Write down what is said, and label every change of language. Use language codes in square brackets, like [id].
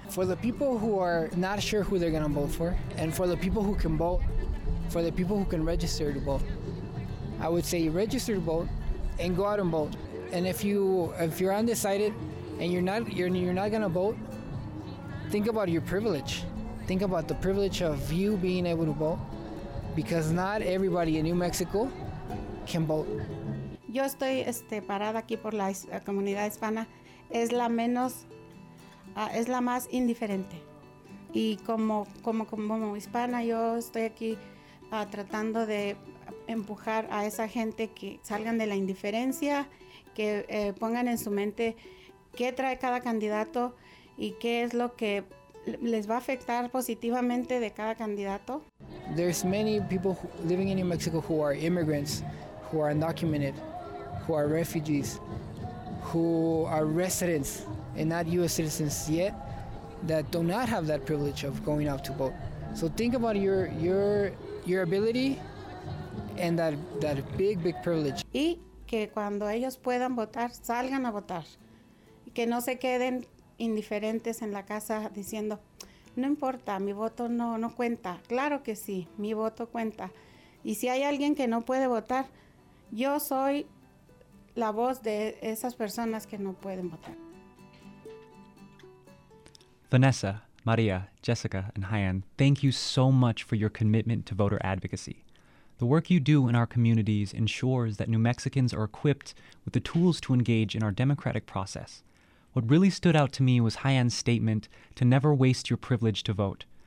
[en] For the people who are not sure who they're gonna vote for, and for the people who can vote, for the people who can register to vote, I would say register to vote and go out and vote. And if you're undecided and you're not gonna vote, think about your privilege. Think about the privilege of you being able to vote, because not everybody in New Mexico can vote. [es] Yo estoy parada aquí por la comunidad hispana. Es la menos, es la más indiferente. Y como hispana, yo estoy aquí tratando de empujar a esa gente que salgan de la indiferencia, que pongan en su mente qué trae cada candidato y qué es lo que les va a afectar positivamente de cada candidato. [en] There's many people living in New Mexico who are immigrants, who are undocumented, who are refugees, who are residents and not U.S. citizens yet, that do not have that privilege of going out to vote. So think about your ability and that big, big privilege. [es] Y que cuando ellos puedan votar, salgan a votar. Que no se queden indiferentes en la casa diciendo, no importa, mi voto no cuenta. Claro que sí, mi voto cuenta. Y si hay alguien que no puede votar, yo soy la voz de esas personas que no pueden votar. [en] Vanessa, Maria, Jessica, and Hayan, thank you so much for your commitment to voter advocacy. The work you do in our communities ensures that New Mexicans are equipped with the tools to engage in our democratic process. What really stood out to me was Hayan's statement to never waste your privilege to vote.